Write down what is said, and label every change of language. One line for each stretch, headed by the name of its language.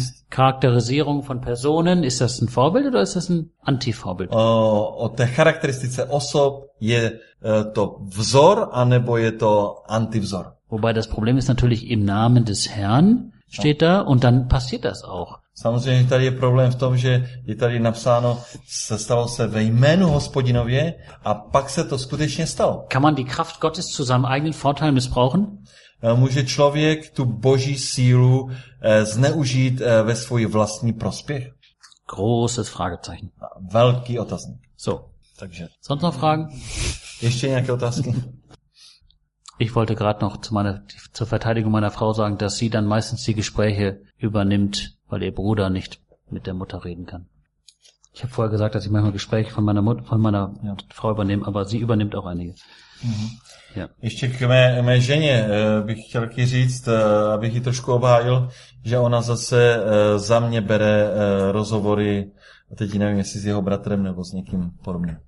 German: Charakterisierung von Personen. Ist das ein Vorbild oder ist das ein Anti-Vorbild?
Czech: O té charakteristice osob je to vzor, anebo je to Anti-vzor.
German: Wobei das Problem ist natürlich im Namen des Herrn steht da und dann passiert das auch.
Czech: Samozřejmě tady je problém v tom, že je tady napsáno, se stalo se ve jménu Hospodinově a pak se to skutečně stalo.
German: Kann man die Kraft Gottes zu seinem eigenen Vorteil missbrauchen?
Czech: Může člověk tu boží sílu zneužít ve svůj vlastní prospěch?
German: Großes Fragezeichen.
Czech: Velký otazník.
German: So.
Czech: Takže.
German: Sonst noch Fragen?
Czech: Ještě nějaké otázky?
German: Ich wollte gerade noch zur Verteidigung meiner Frau sagen, dass sie dann meistens die Gespräche übernimmt, weil ihr Bruder nicht mit der Mutter reden kann. Ich habe vorher gesagt, dass ich manchmal Gespräche von meiner Mutter, von meiner Frau übernehme, aber sie übernimmt auch einige. Ja.
Czech: Ještě k mé ženě bych chtěl říct, abych ji trošku obhájil, že ona zase za mě bere rozhovory, a teď nevím, jestli s jeho bratrem nebo s někým podobným.